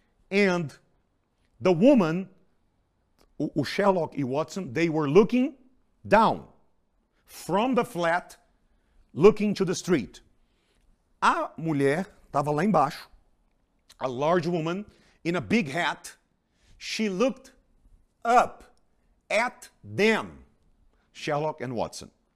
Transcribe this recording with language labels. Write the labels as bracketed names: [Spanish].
[English] And the woman, o Sherlock e Watson, they were looking down from the flat, looking to the street. [Portuguese] A mulher estava lá embaixo, [English] a large woman in a big hat. She looked up at them, Sherlock and Watson.